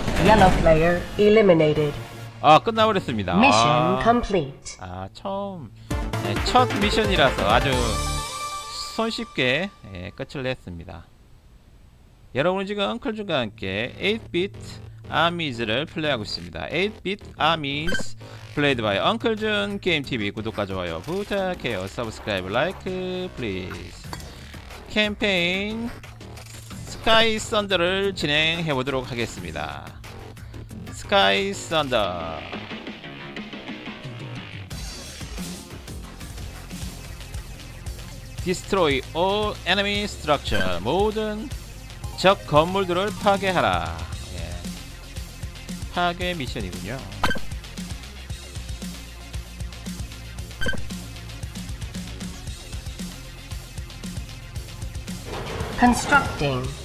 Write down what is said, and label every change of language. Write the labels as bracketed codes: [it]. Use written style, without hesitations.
[en] 예러 플레이어 일리미네이티드. [ko] 아, 끝나버렸습니다. [en] 미션 컴플리트. [ko] 아, 처음 네, 첫 미션이라서 아주 손쉽게 네, 끝을 냈습니다. 여러분은 지금 언클 준과 함께 8비트 아미즈를 플레이하고 있습니다. [en] 8-bit Armies played by Uncle Jun Game TV. [ko] 구독과 좋아요 부탁해요. [en] Subscribe, like, please. [ko] 캠페인 Sky Thunder를 진행해 보도록 하겠습니다. [en] Sky Thunder. 디스트로이 All Enemy Structure. [ko] 모든 적 건물들을 파괴하라. 파괴 미션이군요. [en] 컨스트럭팅.